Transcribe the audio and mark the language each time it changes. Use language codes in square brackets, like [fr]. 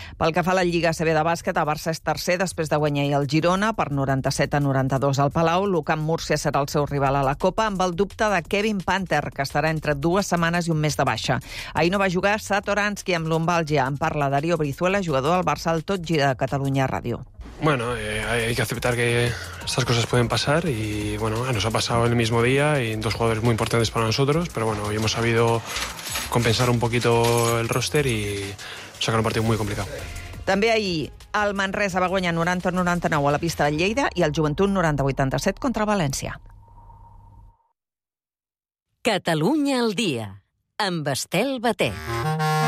[ca] Pel que fa a la Lliga CB de bàsquet, el Barça és tercer després de guanyar el Girona per 97-92 al Palau. Lucan Murcia serà el seu rival a la Copa, amb el dubte de Kevin Panther, que estarà entre dues setmanes i un mes de baixa. Ahir no va jugar Satoransky amb lumbàlgia. En parla Darío Brizuela, jugador del Barça al Tot Gira de Catalunya Ràdio. [es] Bueno, hay que aceptar que estas cosas pueden pasar y bueno, nos ha pasado el mismo día y dos jugadores muy importantes para nosotros, pero bueno, hoy hemos sabido compensar un poquito el roster y sacar un partido muy complicado. [ca] També ahir, el Manresa va guanyar 90-99 a la pista de Lleida i el Joventut 90-87 contra València. Catalunya al dia, amb Estel Batet.